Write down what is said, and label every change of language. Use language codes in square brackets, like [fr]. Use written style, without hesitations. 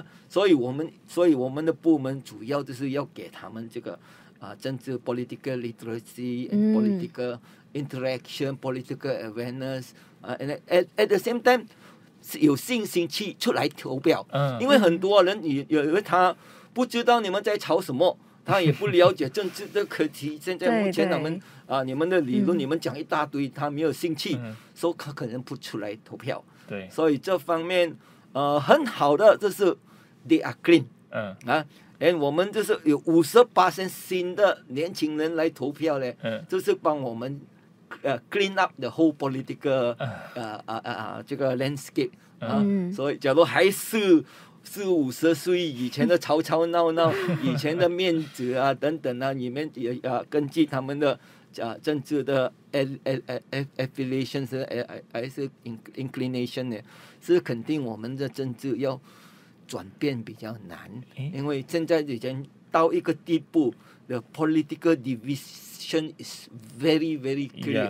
[zh] 所以我们的部门主要就是要给他们这个、政治 [en] political literacy and political interaction political awareness、 and at the same time [zh] 有信心去出来投票、因为很多人以为他不知道你们在吵什么，他也不了解政治的课题现在目前他们对对、你们的理论你们讲一大堆他没有兴趣、所以他可能不出来投票对所以这方面很好的就是 [en] they are clean、嗯 [zh] 啊、 [en] and [zh] 我们就是有 50% 新的年轻人来投票呢、嗯、就是帮我们、 [en] clean up the whole political、嗯 [zh] 这个 landscape、啊嗯、所以假如还是四五十岁以前的吵吵闹闹以前的面子啊等等啊你们也、啊、根据他们的、啊、政治的 affiliation 还是 inclination 呢是肯定我们的政治要转变比较难因为现在已经到一个地步 [en] the political division is very very clear、